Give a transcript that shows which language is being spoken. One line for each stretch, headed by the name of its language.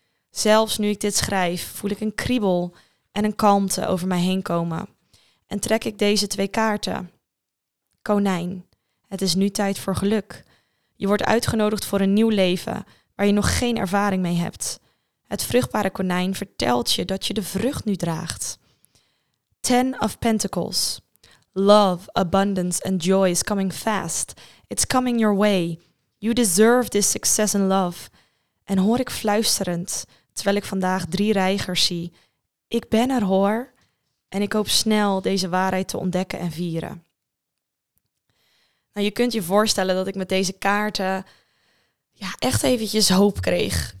Dutch: Zelfs nu ik dit schrijf, voel ik een kriebel en een kalmte over mij heen komen. En trek ik deze twee kaarten. Konijn, het is nu tijd voor geluk. Je wordt uitgenodigd voor een nieuw leven waar je nog geen ervaring mee hebt. Het vruchtbare konijn vertelt je dat je de vrucht nu draagt.
English: 10 of Pentacles. Love, abundance and joy is coming fast. It's coming your way. You deserve this success and love.
Dutch: En hoor ik fluisterend, terwijl ik vandaag 3 reigers zie. Ik ben er hoor. En ik hoop snel deze waarheid te ontdekken en vieren. Nou, je kunt je voorstellen dat ik met deze kaarten echt eventjes hoop kreeg.